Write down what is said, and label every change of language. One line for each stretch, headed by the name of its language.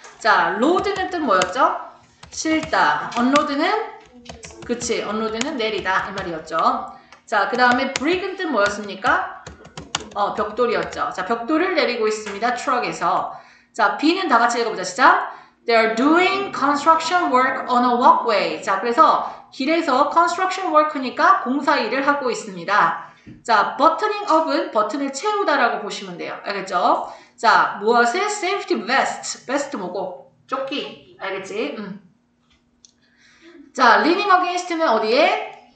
Korean: 자, load는 뜻 뭐였죠? 싣다. unload는? 그치, unload는 내리다. 이 말이었죠. 자, 그 다음에 brick은 뜻 뭐였습니까? 벽돌이었죠. 자, 벽돌을 내리고 있습니다, truck에서. 자, B는 다 같이 읽어보자, 시작.
English: They are doing construction work on a walkway.
Korean: 자, 그래서 길에서 construction work니까 공사 일을 하고 있습니다. 자, buttoning up은 버튼을 채우다라고 보시면 돼요. 알겠죠? 자, 무엇은 safety vest? vest 뭐고? 조끼. 알겠지? 자, leaning against는 어디에?